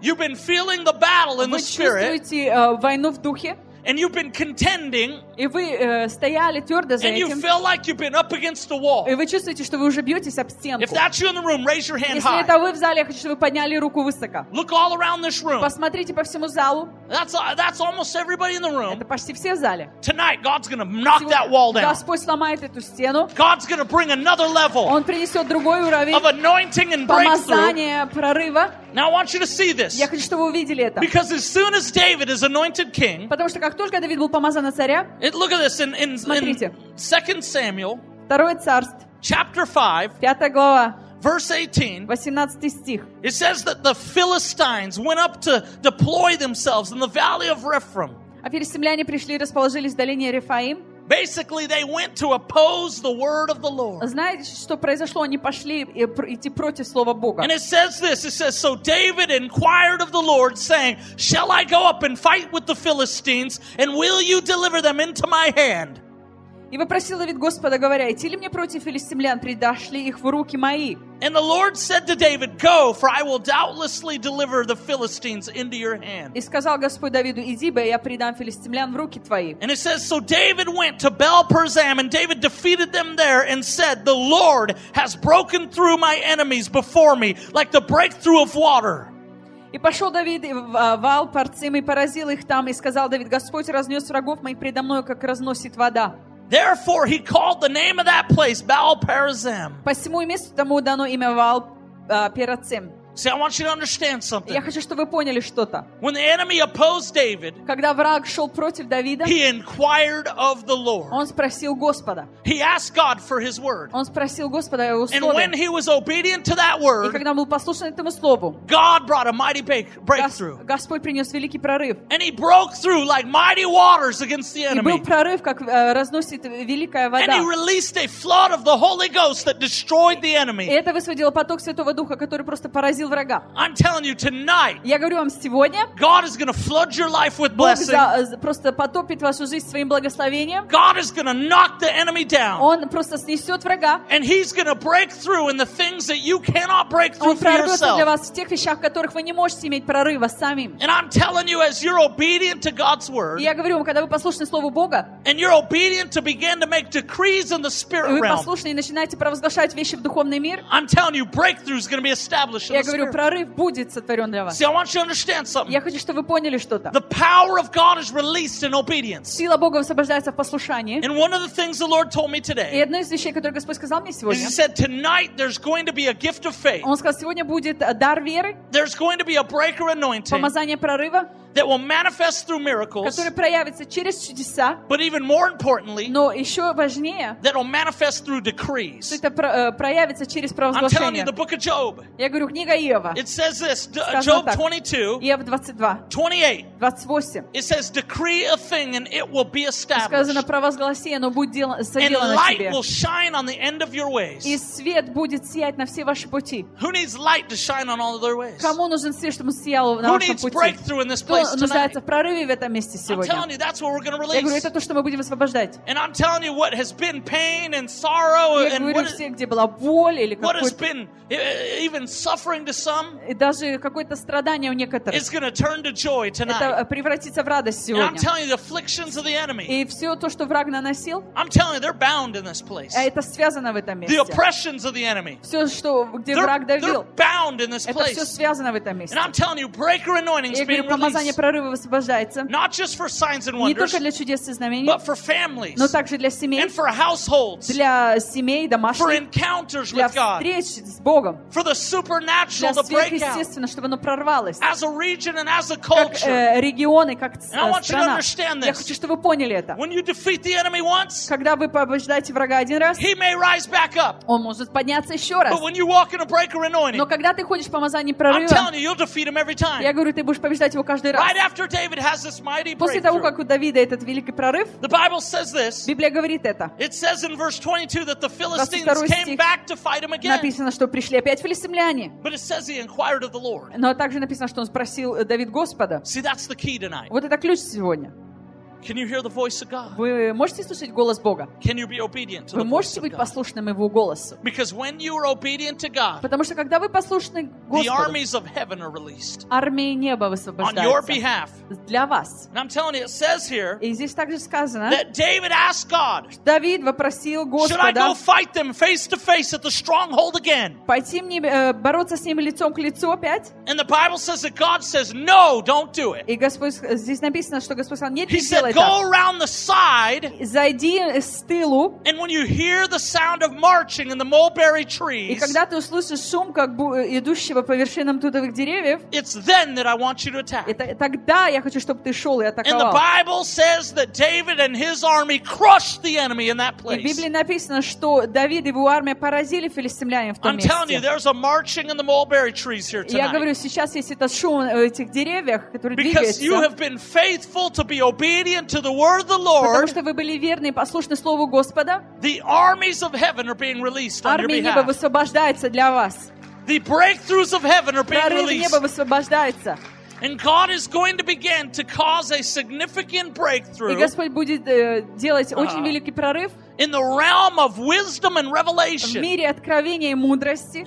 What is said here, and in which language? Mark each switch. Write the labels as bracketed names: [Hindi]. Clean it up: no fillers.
[English] You've been feeling the battle in the spirit. [Russian] Вы чувствуете войну в духе? [English] And you've been contending. [Russian] И вы стояли твердо за этим. [English] And you feel like you've been up against the wall. [Russian] И вы чувствуете, что вы уже бьетесь об стенку. [English] If that's you in the room, raise your hand high. [Russian] Если это вы в зале, я хочу, чтобы вы подняли руку высоко. [English] Look all around this room. [Russian] Посмотрите по всему залу. [English] That's almost everybody in the room. [Russian] Это почти все в зале. [English] Tonight God's gonna knock that wall down. [Russian] Господь сломает эту стену. [English] God's gonna bring another level. [Russian] Он принесет другой уровень. [English] Of anointing and [Russian] помазания, прорыва. [English] Now I want you to see this. [Russian] Я хочу, чтобы вы увидели это. [English] Because as soon as David is anointed king. [Russian] Потому что как только Давид был помазан на царя. [English] Look at this in 2 Samuel. [Russian] Второе царство. [English] Chapter 5. [Russian] Пятая глава. [English] Verse 18. [Russian] 18 стих. [English] It says that the Philistines went up to deploy themselves in the valley of Rephaim. [Russian] А филистимляне пришли и расположились в долине Рефаим. [English] Basically, they went to oppose the word of the Lord. [Russian] Знаете, что произошло? Они пошли идти против слова Бога. [English] And it says this. It says, so David inquired of the Lord, saying, "Shall I go up and fight with the Philistines, and will you deliver them into my hand?" [Russian] И вопросил Давид Господа, говоря, идти ли мне против филистимлян, предашь ли их в руки мои? [English] And the Lord said to David, "Go, for I will doubtlessly deliver the Philistines into your hand." [Russian] И сказал Господь Давиду, иди, бо я предам филистимлян в руки твои. [English] And it says, so David went to Baal-perazim, and David defeated them there, and said, "The Lord has broken through my enemies before me, like the breakthrough of water." [Russian] И пошел Давид в Ваал-перацим и поразил их там, и сказал Давид, Господь разнес врагов моих предо мною, как разносит вода. [English] Therefore, he called the name of that place Baal-perazim. [Russian] Посему месту тому дано имя Ваал-перацим. [English] See, I want you to understand something. [Russian] Я хочу, чтобы вы поняли что-то. [English] When the enemy opposed David, [Russian] когда враг шел против Давида, [English] he inquired of the Lord. [Russian] Он спросил Господа. [English] He asked God for His word. [Russian] Он спросил Господа о Его слове. [English] And when he was obedient to that word, [Russian] и когда он был послушен этому слову, [English] God brought a mighty breakthrough. [Russian] Господь принес великий прорыв. [English] And he broke through like mighty waters against the enemy. [Russian] И был прорыв, как разносит великая вода. [English] And he released a flood of the Holy Ghost that destroyed the enemy. [Russian] И это высвободило поток Святого Духа, который просто поразил. [English] I'm telling you tonight. [Russian] Я говорю вам сегодня. [English] God is going to flood your life with blessing. [Russian] Бог просто потопит вашу жизнь своим благословением. [English] God is going to knock the enemy down. [Russian] Он просто снесет врага. [English] And He's going to break through in the things that you cannot break through for yourself. [Russian] Он прорвется для вас в тех вещах, в которых вы не можете иметь прорыва самим. [English] And I'm telling you, as you're obedient to God's word. [Russian] Я говорю вам, когда вы послушны слову Бога. [English] And you're obedient to begin to make decrees in the spirit realm. [Russian] Вы послушны и начинаете провозглашать вещи в духовный мир. [English] I'm telling you, breakthrough is going to be established. [Russian] Я говорю, прорыв будет сотворен для вас. [English] See, I want you to understand something. [Russian] Я хочу, чтобы вы поняли что-то. [English] The power of God is released in obedience. [Russian] Сила Бога высвобождается в послушании. [English] And one of the things the Lord told me today. [Russian] И одна из вещей, которую Господь сказал мне сегодня. [English] He said tonight there's going to be a gift of faith. [Russian] Он сказал, сегодня будет дар веры. [English] There's going to be a breaker anointing. [Russian] Помазание прорыва. [English] That will manifest through miracles. [Russian] Которое проявится через чудеса. [English] But even more importantly. [Russian] Но еще важнее. [English] That will manifest through decrees. [Russian] Что это проявится через провозглашение. [English] I'm telling you the book of Job. [Russian] Я говорю, книга Иова. [English] It says this. Job 22. [Russian] Иов 22. [English] 28. [Russian] 28. [English] It says decree a thing and it will be established. [Russian] Сказано, провозгласи, оно будет соделано тебе. [English] And light will shine on the end of your ways. [Russian] И свет будет сиять на все ваши пути. [English] Who needs light to shine on all of their ways? [Russian] Кому нужен свет, чтобы сиял на вашем пути? [English] Who needs breakthrough in this place? [Russian] нуждается в прорыве в этом месте сегодня. [English] I'm telling you, that's what we're gonna release. [Russian] Я говорю, это то, что мы будем освобождать. [English] And I'm telling you what has been pain and sorrow and what. [Russian] Я говорю все, где была боль или какой-то. [English] What has been even suffering to some. [Russian] И даже какое-то страдание у некоторых. [English] It's gonna turn to joy tonight. [Russian] Это превратится в радость сегодня. [English] And I'm telling you the afflictions of the enemy. [Russian] И все то, что враг наносил. [English] I'm telling you they're bound in this place. [Russian] Это связано в этом месте. [English] The oppressions of the enemy. [Russian] Все, что где враг давил. [English] They're bound in this place. [Russian] Это все связано в этом месте. [English] And I'm telling you, breaker anointing is being released. [Russian] Помазание прорыва освобождается. [English] Not just for signs and wonders. [Russian] Не только для чудес и знамений. [English] But for families. [Russian] Но также для семей. [English] And for households. [Russian] Для семей, домашних. [English] For encounters with God. [Russian] Для встреч с Богом. [English] For the supernatural to break out. [Russian] Для сверхъестественного, чтобы оно прорвалось. [English] As a region and as a culture. [Russian] Как регионы, как страна. [English] And I want you to understand this. [Russian] Я хочу, чтобы вы поняли это. [English] When you defeat the enemy once. [Russian] Когда вы побеждаете врага один раз. [English] He may rise back up. [Russian] Он может подняться еще раз. [English] But when you walk in a breaker anointing. [Russian] Но когда ты ходишь в помазание прорыва. [English] I'm telling you, you'll defeat him every time. [Russian] Я говорю, ты будешь побеждать его каждый раз. [English] Right after David has this mighty breakthrough. [Russian] После того, как у Давида этот великий прорыв. [English] The Bible says this. [Russian] Библия говорит это. [English] It says in verse 22 that the Philistines came back to fight him again. [Russian] Написано, что пришли опять филистимляне. [English] But it says he inquired of the Lord. [Russian] Но также написано, что он спросил Давид Господа. [English] See, that's the key tonight. [Russian] Вот это ключ сегодня. [English] Can you hear the voice of God? [Russian] Вы можете слышать голос Бога? [English] Can you be obedient to the voice of God? [Russian] Вы можете быть послушным Его голосу? [English] Because when you are obedient to God, [Russian] потому что когда вы послушны Господу, [English] the armies of heaven are released. [Russian] Армии неба высвобождаются. [English] On your behalf. [Russian] Для вас. [English] And I'm telling you, it says here. [Russian] И здесь также сказано. [English] That David asked God. [Russian] Давид вопросил Господа. [English] Should I go fight them face to face at the stronghold again? [Russian] Пойти мне бороться с ними лицом к лицу опять? [English] And the Bible says that God says, no, don't do it. [Russian] И Господь здесь написано, что Господь сказал, нет. [English] Go around the side. [Russian] Зайди с тылу. [English] And when you hear the sound of marching in the mulberry trees. [Russian] И когда ты услышишь шум как идущего по вершинам тутовых деревьев. [English] It's then that I want you to attack. [Russian] Это тогда я хочу, чтобы ты шел и атаковал. [English] And the Bible says that David and his army crushed the enemy in that place. [Russian] И в Библии написано, что Давид и его армия поразили филистимлян в том месте. [English] I'm telling you, there's a marching in the mulberry trees here tonight. [Russian] Я говорю, сейчас есть этот шум в этих деревьях, которые двигаются. [English] Because you have been faithful to be obedient. To the word of the Lord. [Russian] Потому что вы были верны и послушны слову Господа. [English] The armies of heaven are being released on your behalf. [Russian] Армии неба высвобождаются для вас. [English] The breakthroughs of heaven are being released. [Russian] Прорывы неба высвобождаются. [English] And God is going to begin to cause a significant breakthrough. [Russian] И Господь будет делать очень великий прорыв. [English] In the realm of wisdom and revelation. [Russian] В мире откровения и мудрости.